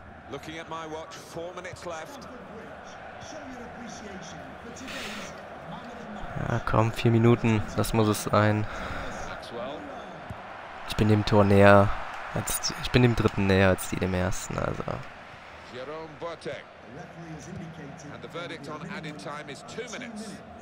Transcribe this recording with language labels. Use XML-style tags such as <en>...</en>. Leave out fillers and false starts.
<en>Looking at my watch, 4 minutes left.</en> <de>Ja, komm, 4 Minuten, das muss es sein. Ich bin dem Tor näher als ich bin dem dritten näher als die dem ersten, also. Jerome Boateng.</de> <en>And the verdict on added time is 2 minutes.</en>